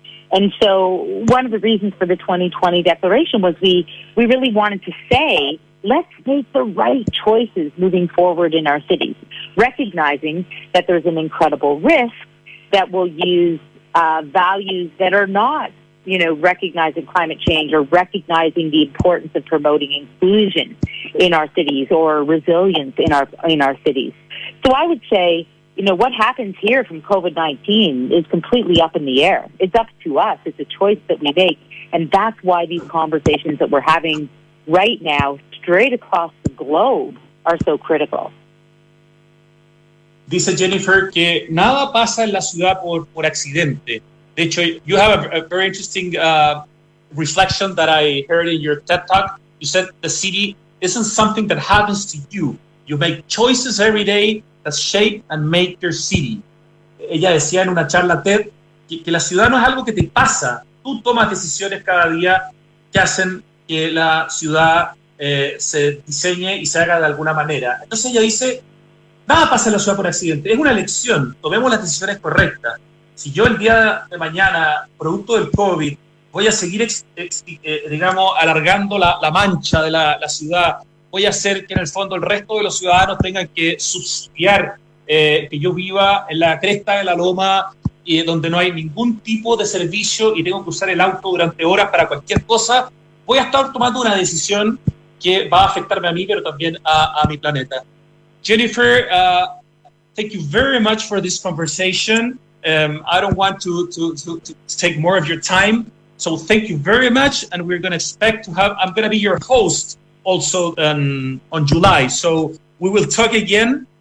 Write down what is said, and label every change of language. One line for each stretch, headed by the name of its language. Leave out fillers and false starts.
English: And so one of the reasons for the 2020 declaration was we really wanted to say, let's make the right choices moving forward in our cities, recognizing that there's an incredible risk that we'll use values that are not, you know, recognizing climate change or recognizing the importance of promoting inclusion in our cities or resilience in our cities. So I would say, you know, what happens here from COVID-19 is completely up in the air. It's up to us. It's a choice that we make. And that's why these conversations that we're having right now straight across the globe are so critical.
Spanish: Dice Jennifer que nada pasa en la ciudad por accidente. De hecho,
English: you have a very interesting reflection that I heard in your TED Talk. You said the city isn't something that happens to you. You make choices every day that shape and make your city.
Spanish: Ella decía en una charla TED que la ciudad no es algo que te pasa. Tú tomas decisiones cada día que hacen que la ciudad se diseñe y se haga de alguna manera. Entonces ella dice, nada pasa en la ciudad por accidente. Es una elección. Tomemos las decisiones correctas. Si yo el día de mañana, producto del COVID, voy a seguir, digamos, alargando la mancha de la ciudad, voy a hacer que en el fondo el resto de los ciudadanos tengan que subsidiar que yo viva en la cresta de la loma y donde no hay ningún tipo de servicio y tengo que usar el auto durante horas para cualquier cosa, voy a estar tomando una decisión que va a afectarme a mí, pero también a mi planeta.
English: Jennifer, thank you very much for this conversation. I don't want to take more of your time, so thank you very much. And we're going to expect to have. I'm going to be your host also on July, so we will talk again.